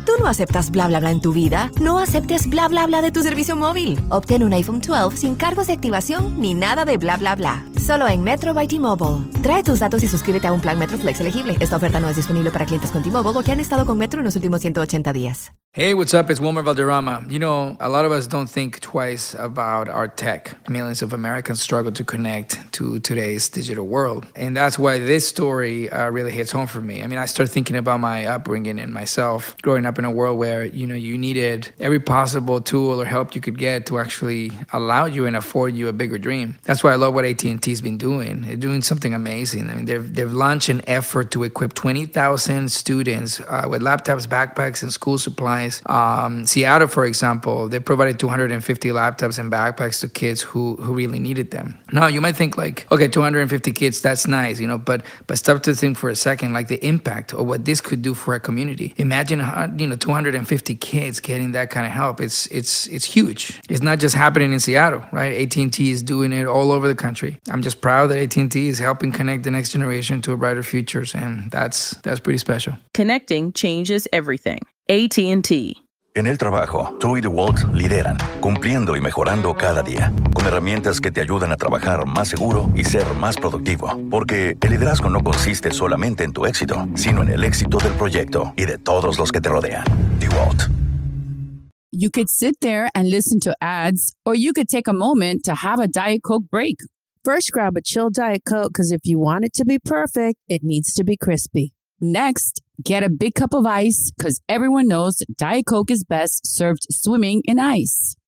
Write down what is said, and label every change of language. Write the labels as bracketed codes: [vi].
[es] ¿Tú no aceptas bla, bla, bla en tu vida? No aceptes bla, bla, bla de tu servicio móvil. Obtén un iPhone 12 sin cargos de activación ni nada de bla, bla, bla. Solo en Metro by T-Mobile. Trae tus datos y suscríbete a un plan Metro Flex elegible. Esta oferta no es disponible para clientes con T-Mobile o que han estado con Metro en los últimos 180 días. [en] Hey, what's up? It's Wilmer Valderrama. You know, a lot of us don't think twice about our tech. Millions of Americans struggle to connect to today's digital world. And that's why this story really hits home for me. I mean, I start thinking about my upbringing and myself growing up in a world where, you know, you needed every possible tool or help you could get to actually allow you and afford you a bigger dream. That's why I love what AT&T he's been doing. They're doing something amazing. I mean, they've launched an effort to equip 20,000 students with laptops, backpacks, and school supplies. Seattle, for example, they provided 250 laptops and backpacks to kids who really needed them. Now, you might think like, okay, 250 kids, that's nice, you know, but stop to think for a second, like the impact of what this could do for a community. Imagine, you know, 250 kids getting that kind of help. It's huge. It's not just happening in Seattle, right? AT&T is doing it all over the country. I'm just proud that AT&T is helping connect the next generation to a brighter future, and that's pretty special. Connecting changes everything. AT&T. [es] En el trabajo, Tru y DeWalt lideran, cumpliendo y mejorando cada día, con herramientas que te ayudan a trabajar más seguro y ser más productivo. Porque el liderazgo no consiste solamente en tu éxito, sino en el éxito del proyecto y de todos los que te rodean. DeWalt. [en] You could sit there and listen to ads, or you could take a moment to have a Diet Coke break. First, grab a chill Diet Coke, because if you want it to be perfect, it needs to be crispy. Next, get a big cup of ice, because everyone knows Diet Coke is best served swimming in ice.